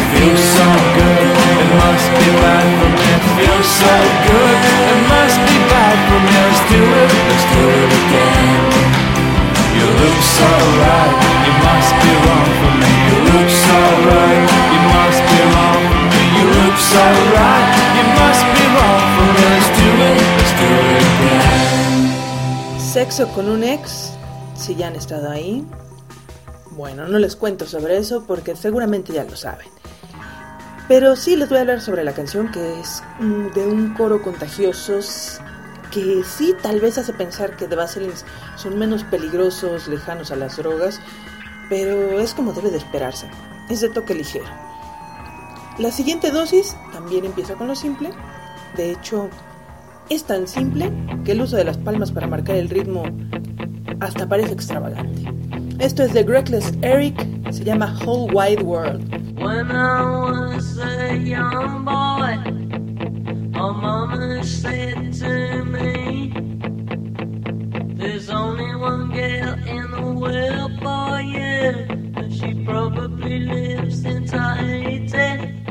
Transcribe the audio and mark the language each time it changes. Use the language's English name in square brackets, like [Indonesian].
[English] Feels so good, it must be bad for me. Feels so good, it must be bad for me. Let's do it again. You look so right, you must be wrong for me. You look so right, you must be wrong for me. You look so right, you must be wrong for me. Let's do it again. [Spanish] Sexo con un ex, si ya han estado ahí. Bueno, no les cuento sobre eso porque seguramente ya lo saben. Pero sí les voy a hablar sobre la canción, que es de un coro contagioso que sí, tal vez hace pensar que The Vaseline son menos peligrosos, lejanos a las drogas, pero es como debe de esperarse, es de toque ligero. La siguiente dosis también empieza con lo simple. De hecho, es tan simple que el uso de las palmas para marcar el ritmo hasta parece extravagante. Esto es de Reckless Eric, se llama Whole Wide World. [English] When I was a young boy, my mama said to me, there's only one girl in the world for you, and she probably lives in Tahiti.